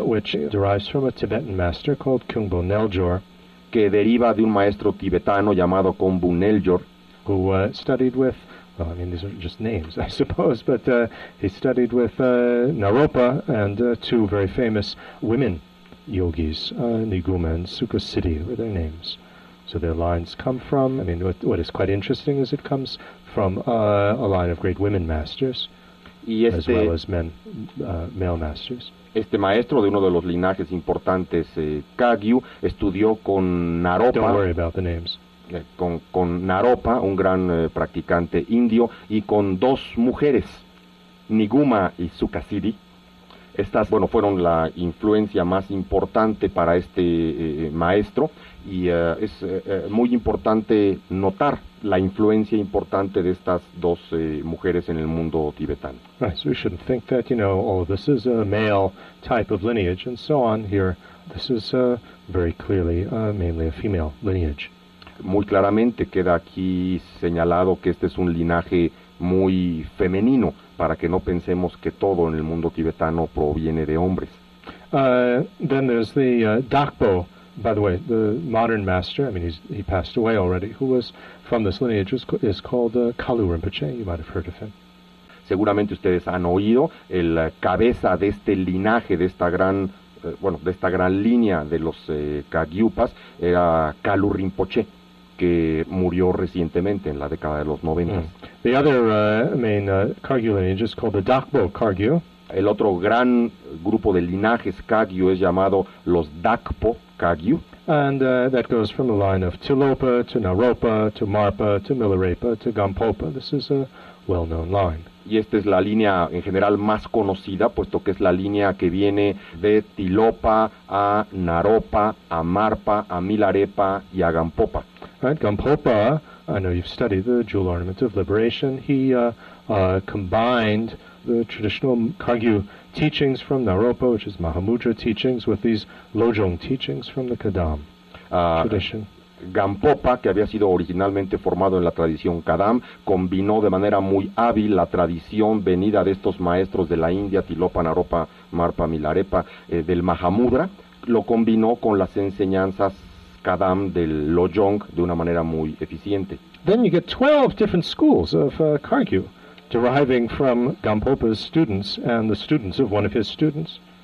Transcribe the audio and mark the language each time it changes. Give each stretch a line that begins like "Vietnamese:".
English: which derives from a Tibetan master called Khyungbo Neljor,
Spanish: que deriva de un maestro tibetano llamado Khyungbo Neljor,
English: who studied with well, I mean, these are just names, I suppose, but he studied with Naropa and two very famous women yogis, Niguma and Sukhasiddhi were their names. So their lines come from, I mean, what is quite interesting is it comes from a line of great women masters, as well as men, male masters.
Spanish: Este maestro de uno de los linajes importantes, Kagyu, estudió con Naropa.
English: Don't worry about the names.
Spanish: Con Naropa, un gran practicante indio, y con dos mujeres, Niguma y Sukhasiddhi. Estas, bueno, fueron la influencia más importante para este maestro, y es muy importante notar la influencia importante de estas dos mujeres en el mundo tibetano.
English: Right, so we shouldn't think that, you know, oh, this is a male type of lineage and so on here. This is very clearly mainly a female lineage.
Spanish: Muy claramente queda aquí señalado que este es un linaje muy femenino, para que no pensemos que todo en el mundo tibetano proviene de hombres.
English: Then there's the Dakpo, by the way, the modern master, I mean, he passed away already, who was from this lineage, is called Kalu Rinpoche, you might have heard of him.
Spanish: Seguramente ustedes han oído el cabeza de este linaje, de esta gran, bueno, de esta gran línea de los Kagyupas, era Kalu Rinpoche, que murió recientemente en la década de los 90. Mm.
English: The other main Kagyu lineage is called the Dakpo Kagyu.
Spanish: El otro gran grupo de linajes Kagyu es llamado los Dakpo Kagyu.
English: And that goes from the line of Tilopa to Naropa to Marpa to Milarepa to Gampopa. This is a well-known line.
Spanish: Y esta es la línea en general más conocida, puesto que es la línea que viene de Tilopa a Naropa, a Marpa, a Milarepa y a Gampopa.
English: Right, Gampopa, I know you've studied the jewel ornament of liberation. He combined the traditional Kagyu teachings from Naropa, which is Mahamudra teachings, with these Lojong teachings from the Kadam tradition.
Spanish: Gampopa, que había sido originalmente formado en la tradición Kadam, combinó de manera muy hábil la tradición venida de estos maestros de la India, Tilopa, Naropa, Marpa, Milarepa, del Mahamudra, lo combinó con las enseñanzas Kadam del Lojong de una manera muy eficiente.
English: Then you get 12 different schools of Kagyu deriving from Gampopa's students and the students of one of his students.